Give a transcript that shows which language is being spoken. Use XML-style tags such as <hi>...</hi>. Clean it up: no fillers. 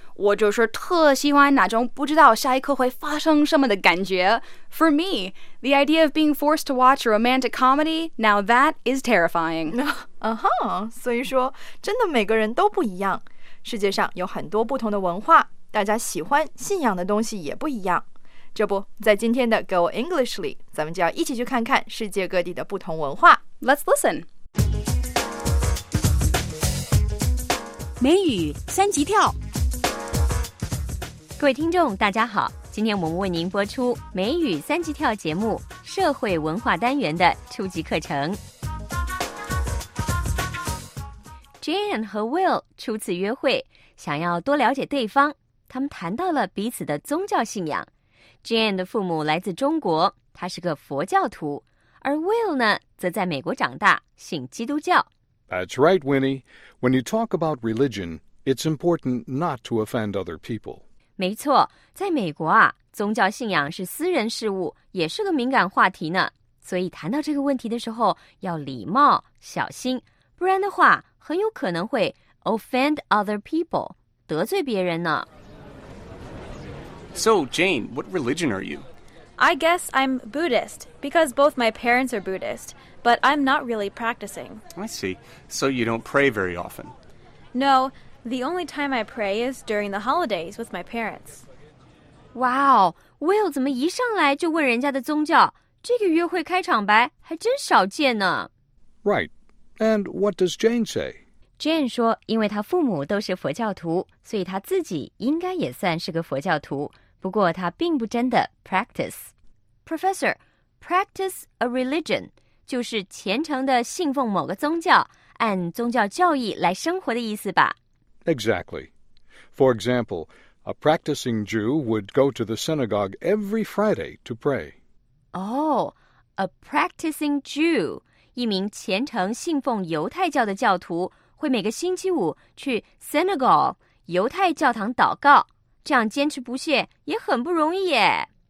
<zh>我就是特喜欢那种不知道下一刻会发生什么的感觉。</zh> <en>For me, the idea of being forced to watch a romantic comedy, now that is terrifying.</en> <zh>Uh-huh, 所以说真的每个人都不一样。世界上有很多不同的文化，大家喜欢信仰的东西也不一样。这不，在今天的 Go English 里，咱们就要一起去看看世界各地的不同文化。 Let's listen. 美语三级跳。各位听众，大家好，今天我们为您播出美语三级跳节目社会文化单元的初级课程。 Jan 和 Will 初次约会，想要多了解对方，他们谈到了彼此的宗教信仰。 Jan 的父母来自中国，他是个佛教徒，而 Will 呢，则在美国长大，信基督教。</zh> <en>That's right, Winnie. When you talk about religion, it's important not to offend other people.</en> <zh>没错，在美国啊，宗教信仰是私人事务，也是个敏感话题呢。所以谈到这个问题的时候，要礼貌、小心，不然的话，很有可能会</zh> <en>offend other people，</en> <zh>得罪别人呢。</zh> <en>So, Jane, what religion are you? I guess I'm Buddhist, because both my parents are Buddhist, but I'm not really practicing. I see. So you don't pray very often? No, the only time I pray is during the holidays with my parents.</en> <zh>Wow, Will 怎么一上来就问人家的宗教？这个约会开场白还真少见呢。</zh> <en>Right. And what does Jane say?</en> <zh>Jane 说，因为她父母都是佛教徒，所以她自己应该也算是个佛教徒。不过她并不真的 practice. Professor,</zh> <en>practice a religion</en> <zh>就是虔诚的信奉某个宗教，按宗教教义来生活的意思吧。</zh> <en>Exactly. For example, a practicing Jew would go to the synagogue every Friday to pray. Oh, a practicing Jew.</en> <zh>一名虔诚信奉犹太教的教徒会每个星期五去 synagogue 犹太教堂祷告，这样坚持不懈也很不容易耶。</zh>